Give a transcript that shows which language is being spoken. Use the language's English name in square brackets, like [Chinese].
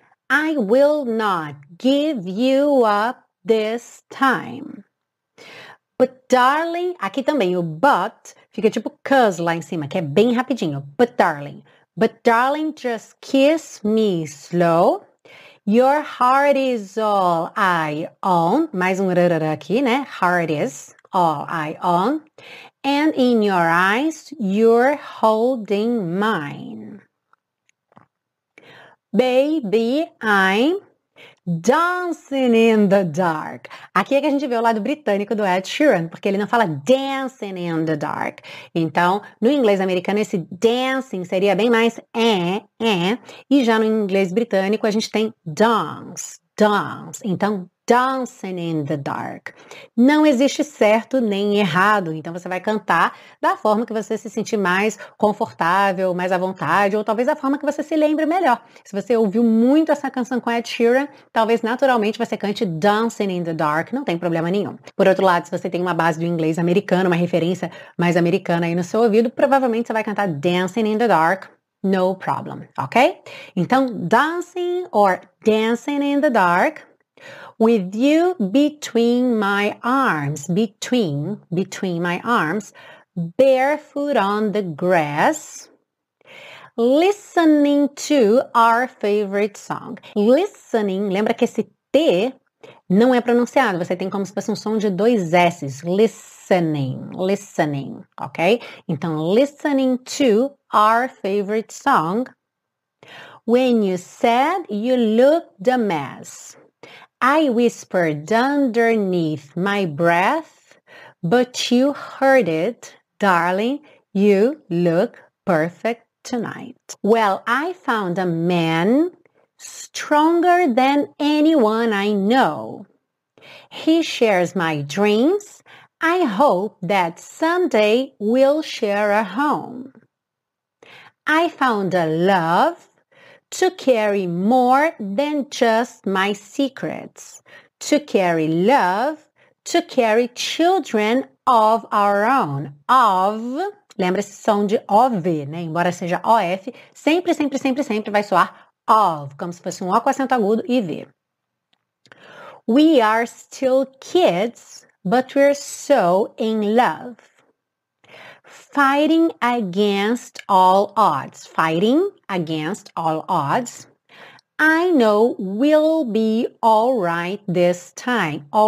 [English] I will not give you up this time. But darling, [Portuguese] aqui também o but fica tipo [English] 'cause [Portuguese] lá em cima, que é bem rapidinho. [English] But darling, just kiss me slow. Your heart is all I own. [Portuguese] Mais um rarara aqui, né? [English] Heart is all I own. And in your eyes, you're holding mine. Baby, I'm Dancing in the Dark. [Portuguese] Aqui é que a gente vê o lado britânico do Ed Sheeran, porque ele não fala Dancing in the Dark. Então, no inglês americano, esse dancing seria bem mais e já no inglês britânico, a gente tem dance. Então, Dancing in the Dark. Não existe certo nem errado, então você vai cantar da forma que você se sentir mais confortável, mais à vontade, ou talvez da forma que você se lembre melhor. Se você ouviu muito essa canção com Ed Sheeran, talvez naturalmente você cante Dancing in the Dark, não tem problema nenhum. Por outro lado, se você tem uma base do inglês americano, uma referência mais americana aí no seu ouvido, provavelmente você vai cantar Dancing in the Dark, [English] no problem, ok? [Portuguese] Então, Dancing or Dancing in the Dark... [English] With you between my arms, between my arms, barefoot on the grass, listening to our favorite song. [Portuguese] Listening, lembra que esse T não é pronunciado, você tem como se fosse um som de dois S's. [English] Listening, ok? [Portuguese] Então, [English] listening to our favorite song, when you said you looked a mess. I whispered underneath my breath, but you heard it, darling, you look perfect tonight. Well, I found a man stronger than anyone I know. He shares my dreams. I hope that someday we'll share a home. I found a love. To carry more than just my secrets. To carry love. To carry children of our own. [Portuguese] Of. Lembra-se o som de OV, né? Embora seja OF, sempre vai soar of. Como se fosse um O com acento agudo e V. [English] We are still kids, but we're so in love. Fighting against all odds. Fighting against all odds. I know we'll be all right this time.